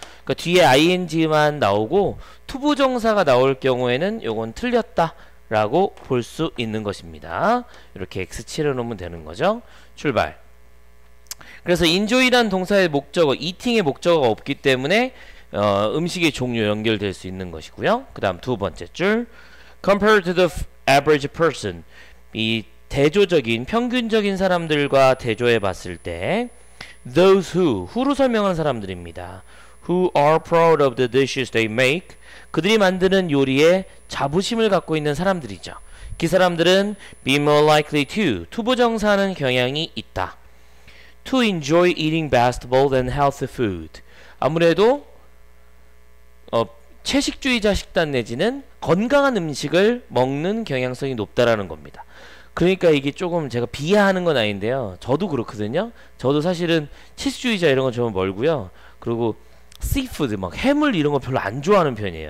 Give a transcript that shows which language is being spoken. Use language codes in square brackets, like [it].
[ko] 그러니까 뒤에 ing만 나오고 투부정사가 나올 경우에는 요건 틀렸다 라고 볼 수 있는 것입니다. 이렇게 X 칠해놓으면 되는 거죠. 출발. 그래서 enjoy란 동사의 목적어, eating의 목적어가 없기 때문에 음식의 종류 연결될 수 있는 것이고요. 그 다음 두 번째 줄. [en] Compared to the average person. [ko] 이 대조적인, 평균적인 사람들과 대조해 봤을 때 [en] those who [ko] 로 설명한 사람들입니다. [en] Who are proud of the dishes they make. [ko] 그들이 만드는 요리에 자부심을 갖고 있는 사람들이죠. 그 사람들은 [en] be more likely to, [ko] 투부정사하는 경향이 있다. [en] To enjoy eating vegetable than healthy food. [ko] 아무래도 채식주의자 식단 내지는 건강한 음식을 먹는 경향성이 높다라는 겁니다. 그러니까 이게 조금 제가 비하하는 건 아닌데요. 저도 그렇거든요. 저도 사실은 채식주의자 이런 건 좀 멀고요. 그리고 씨푸드, 막 해물 이런 거 별로 안 좋아하는 편이에요.